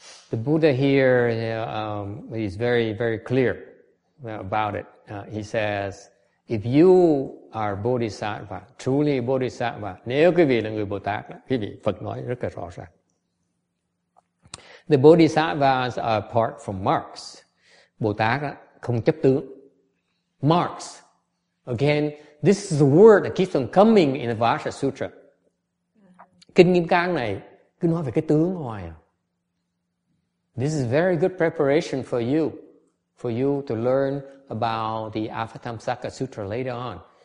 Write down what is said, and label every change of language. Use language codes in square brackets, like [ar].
[en] The Buddha here is very, very clear about it. He says, if you are Bodhisattva, truly Bodhisattva, [vi] nếu quý vị là người Bồ Tát, quý vị Phật nói rất là rõ ràng. [en] The Bodhisattvas are apart from marks. [vi] Bồ Tát không chấp tướng. [en] Marks. Again, this is the word that keeps on coming in the Vajra Sutra. [vi] Kinh Nghiêm Cang này cứ nói về cái tướng ngoài. [en] This is very good preparation for you to learn about the Avatamsaka Sutra later on.